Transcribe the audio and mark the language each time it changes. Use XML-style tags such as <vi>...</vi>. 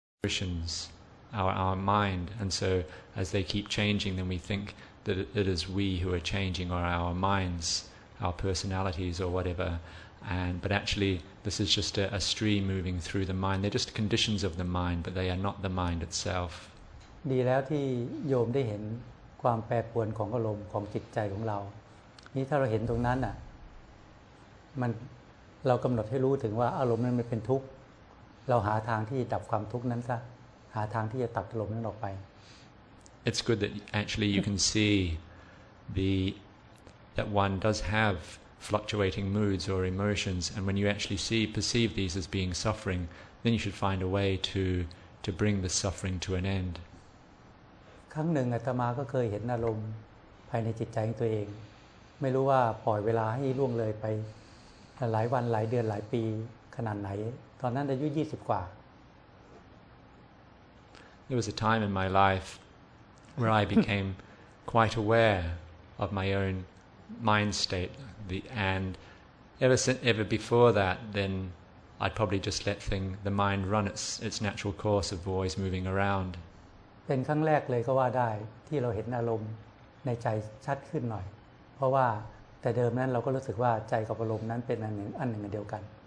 <en>impressions our mind, and so as they keep changing, then we think that it is we who are changing, or our minds, our personalities, or whatever. And but actually, this is just a stream moving through the mind. They're just conditions of the mind, but they are not the mind itself.</en> <th>ดีแล้วที่โยมได้เห็นความแปรปรวนของอารมณ์ของจิตใจของเรานี่ถ้าเราเห็นตรงนั้นอ่ะมันเรากำหนดให้รู้ถึงว่าอารมณ์นั้นมันเป็นทุกข์เราหาทางที่จะดับความทุกข์นั้นซะหาทางที่จะตัดอารมณ์นั้นออกไป</th> <en>It's good that actually you can see that one does have fluctuating moods or emotions, and when you actually perceive these as being suffering, then you should find a way to bring the suffering to an end.</en> <th>ครั้งหนึ่งอาตมาก็เคยเห็นอารมณ์ภายในจิตใจของตัวเองไม่รู้ว่าปล่อยเวลาให้ล่วงเลยไปหลายวันหลายเดือนหลายปีขนาดไหนตอนนั้นอายุ20กว่า</th> <en>There was a time in my life where I became quite aware of my own mind state, and ever before that, then I'd probably just let the mind run its natural course of always moving around.</en> <th>เป็นครั้งแรกเลยก็ว่าได้ที่เราเห็นอารมณ์ในใจชัดขึ้นหน่อยเพราะว่าแต่เดิมนั้นเราก็รู้สึกว่าใจกับอารมณ์นั้นเป็นอันหนึ่งเดียวกัน</th>